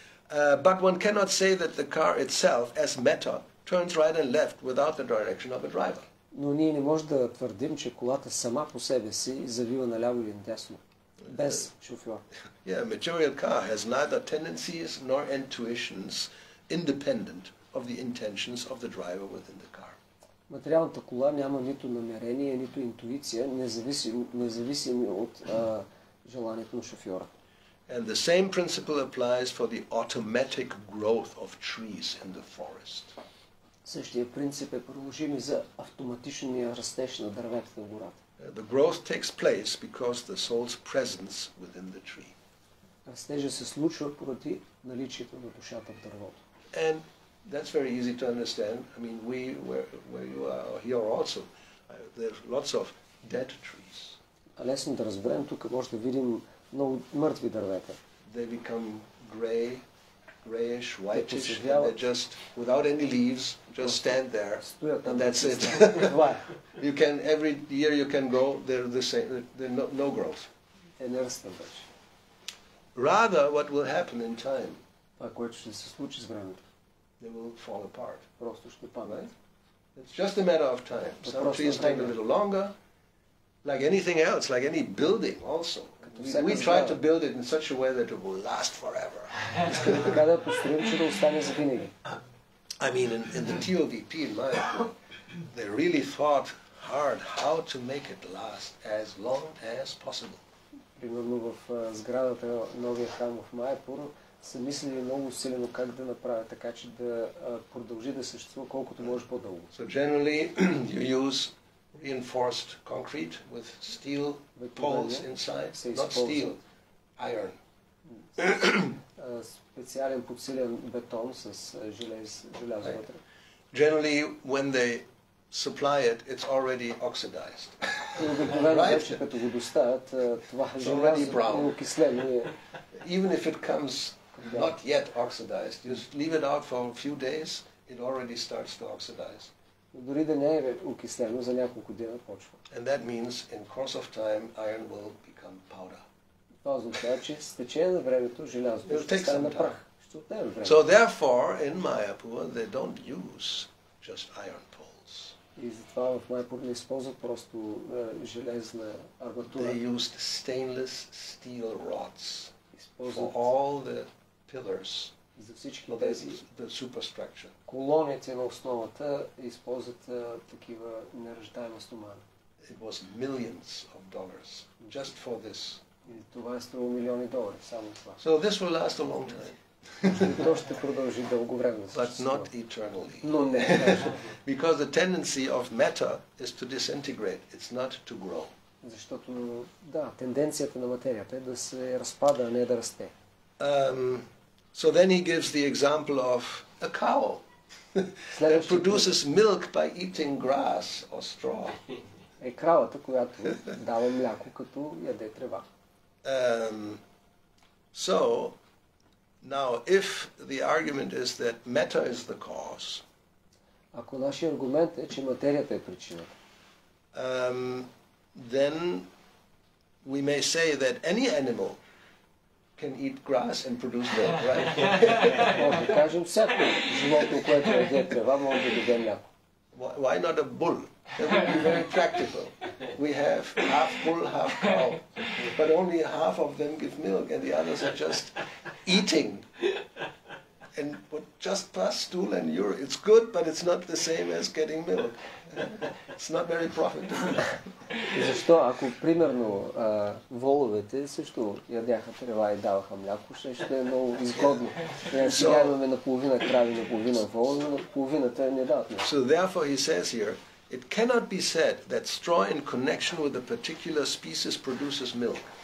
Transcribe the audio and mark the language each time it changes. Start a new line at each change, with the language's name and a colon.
English: But one cannot say that the car itself, as matter, turns right and left without the direction of a driver.
Bulgarian: Но ние не можем да твърдим, че колата сама по себе си завива наляво и надясно, без шофьор.
English: Yeah, a material car has neither tendencies nor intuitions independent of the intentions of the driver within the car.
Bulgarian: Материалната кола няма нито намерение, нито интуиция, независими от желанието на шофьора.
English: And the same principle applies for the automatic growth of trees in the forest.
Bulgarian: Същия принцип е приложим за автоматичния растеж на дървета в гората.
English: The growth takes place because the soul's presence within the tree.
Bulgarian: Растежът се случва поради наличието на душата в дървото.
English: And that's very easy to understand. I mean, we where you are here also, there's lots of dead trees.
Bulgarian: Лесно да разберем, тук може да видим много мъртви дървета.
English: They become gray, reddish, whitish, they just without any leaves, just stand there, and that's it. Why? You can every year you can go. They're the same. They're no growth. Rather, what will happen in time? They will fall apart. Right? It's just a matter of time. Some trees take a little longer. Like anything else, like any building also. We try to build it in such a way that it will last forever. I mean, in the TOVP in my opinion, they really thought hard how to make it last as long as possible.
Bulgarian: Примерно в сградата новия храм в Майпур са мислили много усилено как да направят така, че да продължи да съществува колкото може по-дълго.
English: So generally you use reinforced concrete with steel poles inside, not steel, iron.
Bulgarian: Специален подсилен бетон с желязо вътре.
English: Generally when they supply it, it's already oxidized. Right? It's already brown. Even if it comes not yet oxidized, you leave it out for a few days, it already starts to oxidize. And that means, in course of time, iron will become powder. It'll take some time. So therefore, in Mayapur, they don't use just iron.
Bulgarian: И затова в Майпур не използват просто железна арматура.
English: They used stainless steel rods for all the pillars.
Bulgarian: За всички тези суперструктури. Колоните на основата използват такива неръждаема стомана.
English: It was millions of dollars just for this.
Bulgarian: И това е струвало милиони долари само това.
English: So this will last a long time.
Bulgarian: То ще продължи дълго време.
English: But not eternally.
Bulgarian: Но не.
English: Because the tendency of matter is to disintegrate. It's not to grow.
Bulgarian: Защото да, тенденцията на материята е да се разпада, а не да расте.
English: So then he gives the example of a cow that produces milk by eating grass or straw.
Bulgarian: Е кравата, която дава мляко като яде трева.
English: So now, if the argument is that matter is the cause,
Bulgarian: ако нашият аргумент е, че материята е причината,
English: then we may say that any animal can eat grass and produce milk, right?
Bulgarian: Може да кажем всяко животно, което яде трева, може да даде мляко.
English: Why not a bull? That would be very practical. We have half bull, half cow, but only half of them give milk, and the others are just eating. And but just pass stool and urine. It's good, but it's not the same as getting milk. It's not very profitable.
Bulgarian: Защо, ако примерно воловете също ядяха трева и даваха мляко, ще е много изгодно. Сега имаме наполовина крави, наполовина волове, половината не дават мляко.
English: So therefore he says here, it cannot be said that straw in connection with a particular species produces milk.